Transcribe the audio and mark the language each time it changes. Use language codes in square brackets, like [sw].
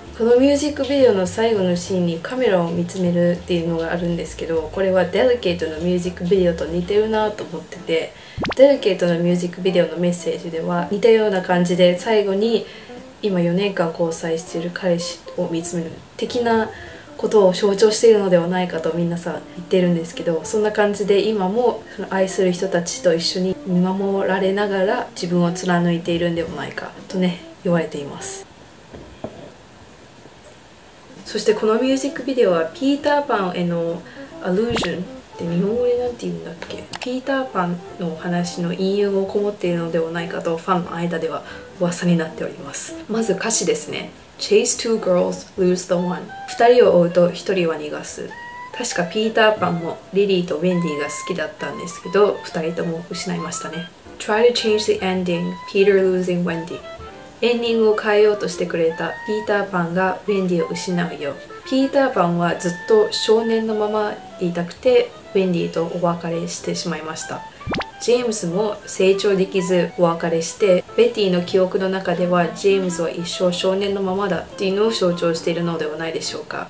[ja] このミュージックビデオの最後のシーンにカメラを見つめるっていうのがあるんですけど、これはデリケートのミュージックビデオと似てるなと思ってて、デリケートのミュージックビデオのメッセージでは似たような感じで、最後に今4年間交際している彼氏を見つめる的なことを象徴しているのではないかと皆さん言ってるんですけど、そんな感じで今も愛する人たちと一緒に見守られながら自分を貫いているんではないかとね、言われています。そしてこのミュージックビデオはピーターパンへのアルージョンって日本語でなんて言うんだっけ、ピーターパンのお話の引用をこもっているのではないかとファンの間では噂になっております。まず歌詞ですね。 [en] Chase two girls, lose the one. [ja] 2人を追うと1人は逃がす。確かピーターパンもリリーとウェンディが好きだったんですけど、2人とも失いましたね。 [en] Try to change the ending, Peter losing Wendy. [ja] エンディングを変えようとしてくれたピーターパンがウェンディを失うよ。ピーターパンはずっと少年のままいたくてウェンディとお別れしてしまいました。ジェームスも成長できずお別れして、ベティの記憶の中ではジェームスは一生少年のままだっていうのを象徴しているのではないでしょうか。